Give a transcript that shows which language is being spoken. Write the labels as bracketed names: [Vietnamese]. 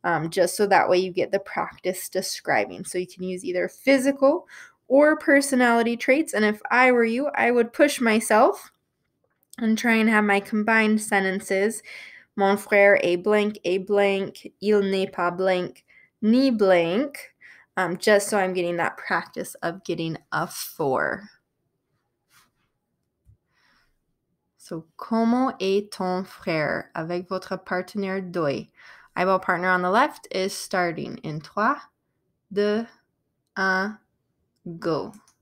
[English] Just so that way you get the practice describing. So you can use either physical or personality traits, and if I were you, I would push myself and try and have my combined sentences, [French] mon frère est blank, il n'est pas blank, ni blank, [English] just so I'm getting that practice of getting a 4. [French] So, comment est ton frère avec votre partenaire doy? [English] Eyeball partner on the left is starting in 3, 2, 1, go.